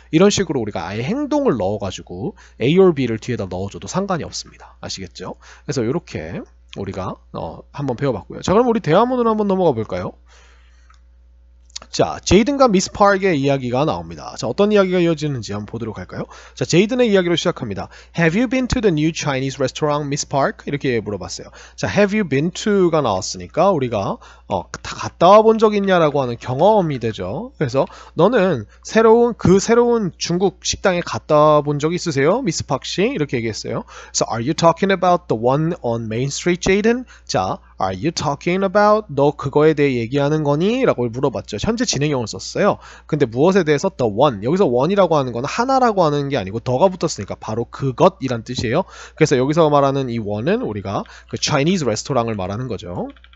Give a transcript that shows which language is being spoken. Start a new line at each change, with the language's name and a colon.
Korean: 이런 식으로 우리가 아예 행동을 넣어가지고 A or B를 뒤에다 넣어줘도 상관이 없습니다. 아시겠죠? 그래서 이렇게 우리가 한번 배워봤고요. 자, 그럼 우리 대화문으로 한번 넘어가 볼까요? 자, 제이든과 미스 파크의 이야기가 나옵니다. 자, 어떤 이야기가 이어지는지 한번 보도록 할까요? 자, 제이든의 이야기로 시작합니다.
English: Have you been to the new Chinese restaurant, Miss Park?
Korean: 이렇게 물어봤어요. 자, have you been to가 나왔으니까 우리가 다 갔다 와본 적 있냐라고 하는 경험이 되죠. 그래서 너는 새로운 중국 식당에 갔다 와본 적 있으세요? 미스 파크 씨? 이렇게 얘기했어요.
English: So, are you talking about the one on Main Street, Jaden?
Korean: 자,
English: Are you talking about?
Korean: 너 그거에 대해 얘기하는 거니? 라고 물어봤죠. 현재 진행형을 썼어요. 근데 무엇에 대해서 the one? 여기서 one이라고 하는 건 하나라고 하는 게 아니고 더가 붙었으니까 바로 그것이란 뜻이에요. 그래서 여기서 말하는 이 one은 우리가 그 Chinese restaurant을 말하는 거죠.